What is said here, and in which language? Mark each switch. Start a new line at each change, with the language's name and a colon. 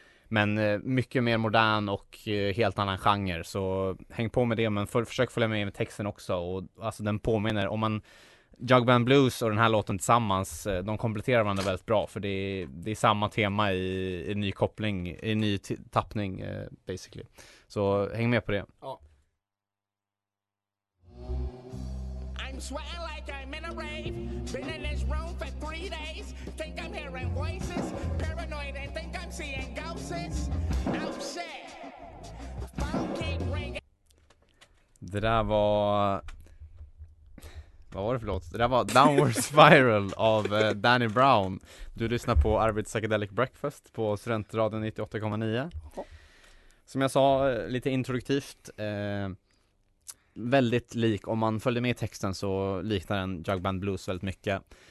Swedish: Men mycket mer modern och helt annan genre, så häng på med det, men försök följa med texten också. Och alltså den påminner, om man, Jug Band Blues och den här låten tillsammans, de kompletterar varandra väldigt bra, för det är samma tema i ny koppling, i ny tappning basically. Så häng med på det. Ja.
English: I'm sweating like I'm in a rave, been in this room for 3 days, think I'm hearing voices, paranoid and think I'm seeing ghosts, upset, phone keep ringing.
Swedish: Det där var... Vad var det för låt? Det där var Downward Spiral av Danny Brown. Du lyssnar på Arvid Psychedelic Breakfast på Studentradion 98,9. Som jag sa, lite introduktivt... väldigt lik, om man följde med i texten så liknar den Jug Band Blues väldigt mycket.